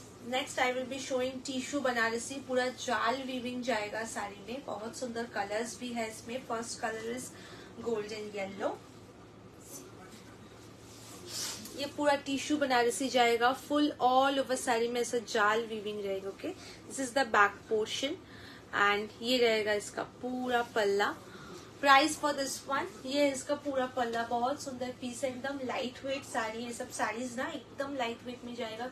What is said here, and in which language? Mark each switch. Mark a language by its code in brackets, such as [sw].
[en] Next I will be showing tissue Banarasi. [hi] पूरा जाल weaving जाएगा साड़ी में. बहुत सुंदर कलर्स भी है इसमें. [en] First colour is golden yellow. [hi] ये पूरा टिश्यू बनारसी जाएगा. फुल ऑल ओवर साड़ी में ऐसा जाल वीविंग रहेगा. [en] okay this is the back portion and [hi] ये रहेगा इसका पूरा पल्ला. [en] price for this one, [hi] ये इसका पूरा पल्ला. बहुत सुंदर पीस है. एकदम लाइट वेट साड़ी है. सब साड़ीज ना एकदम लाइट वेट में जाएगा.